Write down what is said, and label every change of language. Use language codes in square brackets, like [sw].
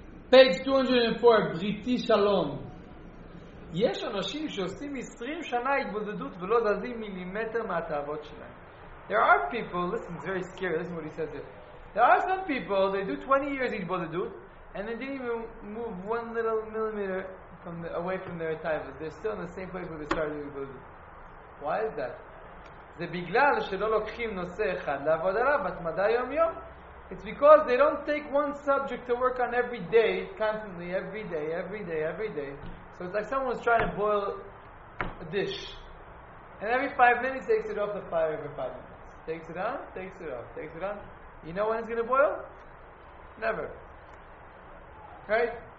[en] Page 204, בריתי שלום. [he] יש אנשים שעושים 20 שנה התבודדות ולא זזים מילימטר מהתאוות שלהם. [en] There are people, listen, it's very scary, listen what he says here. There are some people, they do 20 years התבודדות, and they didn't even move one little millimeter from the, away from their tavos. They're still in the same place where they started התבודדות. Why is that? [he] זה בגלל שלא לוקחים נושא אחד לעבוד עליו, את מדע יום יום. [en] It's because they don't take one subject to work on every day, constantly, every day, every day, every day. So it's like someone's trying to boil a dish. And every 5 minutes takes it off the fire every 5 minutes. Takes it on, takes it off, takes it on. You know when it's going to boil? Never. Right?